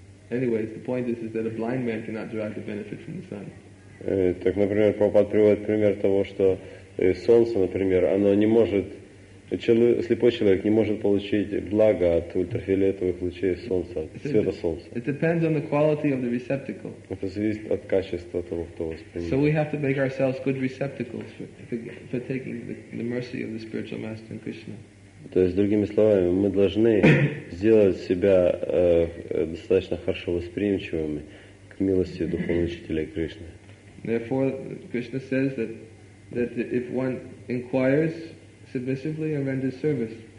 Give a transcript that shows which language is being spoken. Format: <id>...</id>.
<en>Anyways, the point is that a blind man cannot derive the benefit from the sun.</en> <ru>Так, например, Прабхупада приводит пример того, что солнце, например, оно не может... Слепой человек не может получить благо от ультрафиолетовых лучей солнца, от света солнца.</ru> <en>It depends on the quality of the receptacle.</en> <ru>Это зависит от качества того, кто воспринимает.</ru> <en>So we have to make ourselves good receptacles for taking the mercy of the spiritual master and Krishna.</en> <ru>То есть, другими словами, мы должны сделать себя достаточно хорошо восприимчивыми к милости духовного учителя Кришны.</ru> <en>Therefore, Krishna says that if one inquires submissively and render service.</en>